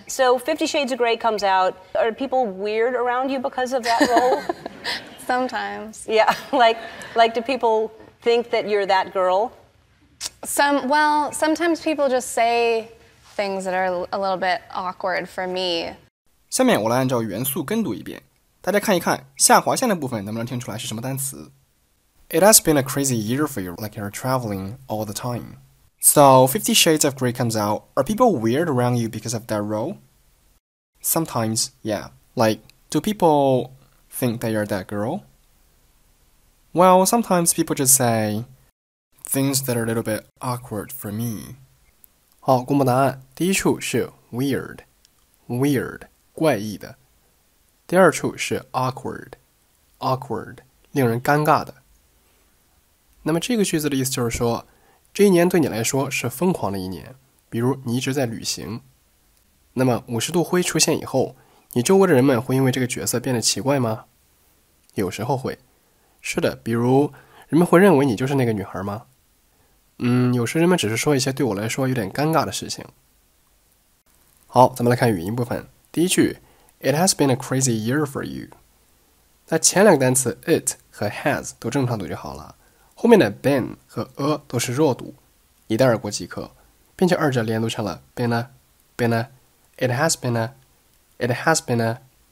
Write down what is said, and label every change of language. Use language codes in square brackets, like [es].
[en] So 50 Shades of Grey comes out. Are people weird around you because of that role? Sometimes. Yeah. Like, do people think that you're that girl? Sometimes people just say things that are a little bit awkward for me. [zh] 下面我来按照元素跟读一遍。大家看一看下划线的部分能不能听出来是什么单词。 [en] It has been a crazy year for you, like you're traveling all the time. So, 50 Shades of Grey comes out. Are people weird around you because of that role? Sometimes, yeah. Like, do people think that you're that girl? Well, sometimes people just say things that are a little bit awkward for me. [zh] 好，公布答案。第一处是 weird, weird, 怪异的。第二处是 awkward, awkward, 令人尴尬的。那么这个句子的意思就是说，这一年对你来说是疯狂的一年，比如你一直在旅行。那么五十度灰出现以后，你周围的人们会因为这个角色变得奇怪吗？有时候会。是的，比如人们会认为你就是那个女孩吗？有时人们只是说一些对我来说有点尴尬的事情。好，咱们来看语音部分。第一句， [en] It has been a crazy year for you。 [zh] 那前两个单词 it 和 has 都正常读就好了，后面的 been 和 a 都是弱读，一带而过即可，并且二者连读成了 [en] been a, been a, [zh] it has been a, it has been a。